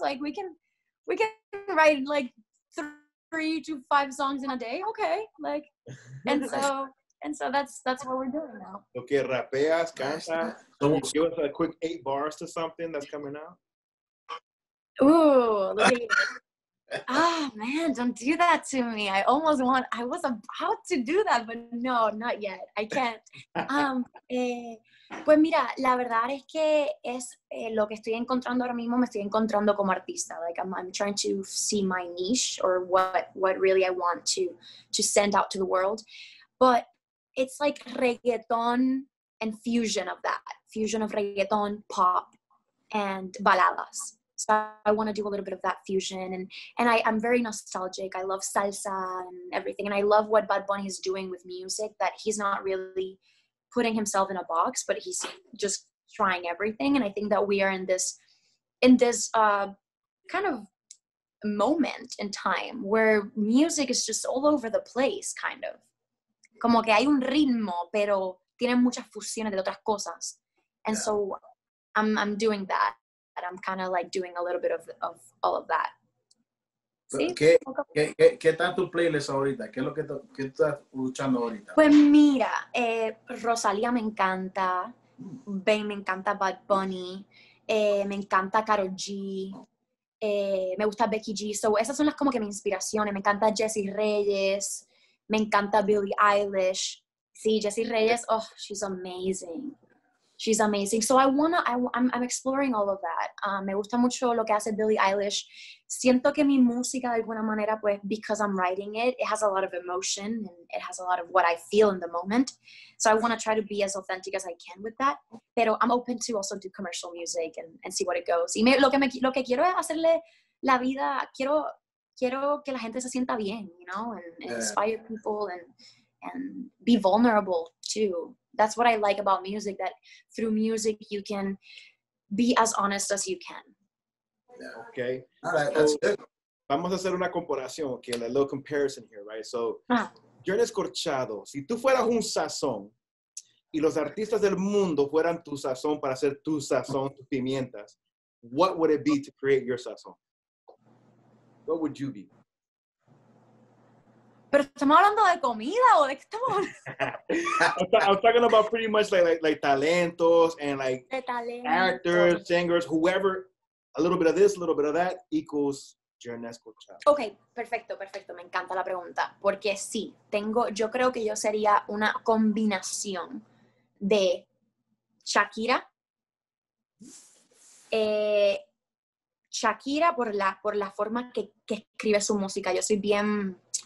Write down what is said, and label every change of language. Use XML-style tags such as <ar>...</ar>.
<en>Like, we can write like 3 to 5 songs in a day, okay, like, and so that's what we're doing now.</en> <es>Okay, rapeas, canta.</es> <en>Give us a quick 8 bars to something that's coming out. Ooh, look at you. Oh man, don't do that to me. I was about to do that, but no, not yet. I can't.</en> <es>Pues mira, la verdad es que es lo que estoy encontrando ahora mismo, me estoy encontrando como artista.</es> <en>Like, I'm trying to see my niche or what really I want to send out to the world. But it's like reggaeton and fusion of that. Fusion of reggaeton, pop, and baladas. So I want to do a little bit of that fusion. And I'm very nostalgic. I love salsa and everything. And I love what Bad Bunny is doing with music, that he's not really putting himself in a box, but he's just trying everything. And I think that we are in this kind of moment in time where music is just all over the place, kind of.</en> <es>Como que hay un ritmo, pero tiene muchas fusiones de otras cosas.</es> <en>And yeah. So I'm doing that. And I'm kind of like doing a little bit of all of that.</en> <es>¿Qué está en tu playlist ahorita? ¿Qué es lo que estás escuchando ahorita? Pues mira, Rosalía me encanta. Ben me encanta Bad Bunny. Me encanta Karol G. Me gusta Becky G.</es> <en>So</en> <es>esas son las como que mis inspiraciones. Me encanta Jessie Reyes. Me encanta Billie Eilish. Sí, Jessie Reyes.</es> <en>Oh, she's amazing. She's amazing.</en> <es>So I'm exploring all of that. Me gusta mucho lo que hace Billie Eilish. Siento que mi música de alguna manera, pues,</es> <en>because I'm writing it, it has a lot of emotion and it has a lot of what I feel in the moment. So I want to try to be as authentic as I can with that. Pero I'm open to also do commercial music and see what it goes.</en> <es>Y lo que quiero es hacerle la vida, quiero que la gente se sienta bien,</es> <en>you know, and inspire people and be vulnerable too. That's what I like about music, that through music you can be as honest as you can. Yeah, okay. All right, that's good.</en> <es>Vamos a hacer una comparación,</es> <en>okay, a little comparison here, right? So, Jearnest Corchado, si tú fueras un sazón y los artistas del mundo fueran tu sazón para hacer tu sazón, tus pimientas, what would it be to create your sazón? What would you be?</en> <es>Pero estamos hablando de comida o de qué estamos.</es> <en>I'm talking about pretty much like talentos and like actors, singers, whoever. A little bit of this, a little bit of that equals Jearnest Corchado.</en> <es>Okay, perfecto. Me encanta la pregunta. Porque sí, yo creo que yo sería una combinación de Shakira. Shakira por la forma que escribe su música. Yo soy bien.</es>